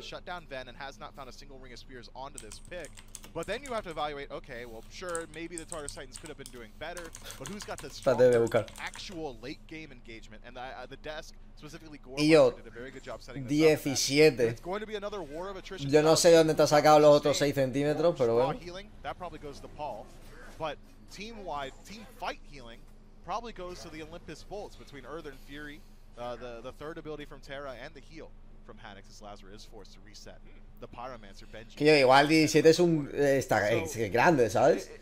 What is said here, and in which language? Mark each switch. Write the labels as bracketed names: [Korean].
[English] Shut down Ven and has not found a single Ring of Spears onto this pick. But then you have to evaluate, okay, well, sure, maybe the Tartar Titans could have been doing better, but who's got the strongest actual late game engagement? And the desk, specifically Gorman, yo, did a very good job setting 17. It's going to be another war of attrition. [Spanish] Yo no sé dónde te has sacado los otros 6 centímetros, pero bueno. [English] Healing, that probably goes to Paul. But team-wide, team fight healing probably goes to the Olympus Bolts between Earthen Fury, the third ability from Terra, and the heal. From Haddix as Lazarus is forced to reset the Pyromancer Benji. [Spanish] Que yo, igual 17 es un está so, es grande, ¿sabes?